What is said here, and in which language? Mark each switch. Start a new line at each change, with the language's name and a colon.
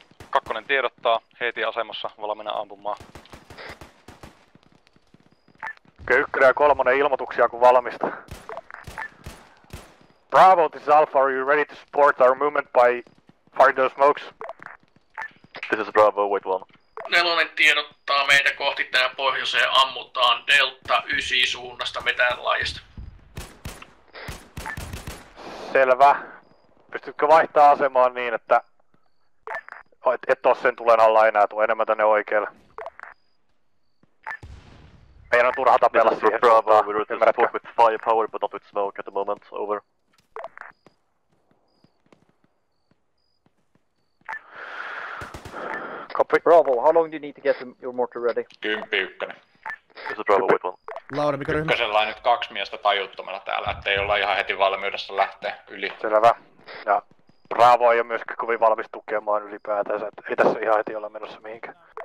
Finnish: Kakkonen tiedottaa, heti asemassa, valmiina ampumaan. Okei, ykkönen ja kolmonen ilmoituksia kun valmista.
English: Bravo, this is Alpha, are you ready to support our movement by firing those smokes? This is Bravo, wait one.
Finnish: Nelonen tiedottaa meitä kohti tää pohjoiseen ammutaan Delta 9 suunnasta metään laajasta. Selvä. Pystytkö vaihtamaan asemaan niin, että et oo sen tulen alla enää, tuu enemmän tänne oikealle. Meidän on turha tapella siihen.
English: Bravo, we're just support with firepower, but not with smoke at the moment, over. Copy. Bravo, how long do you need to get your mortar ready? 10-1. Just a Bravo, wait one.
Finnish: Laura, mikä ryhmä? Ykkösellä on nyt kaksi miestä tajuttomana täällä, ettei olla ihan heti valmiudessa lähteä yli. Selvä. Ja Bravo ei ole myöskin kovin valmis tukemaan ylipäätänsä, et ei tässä ihan heti olla menossa mihinkään.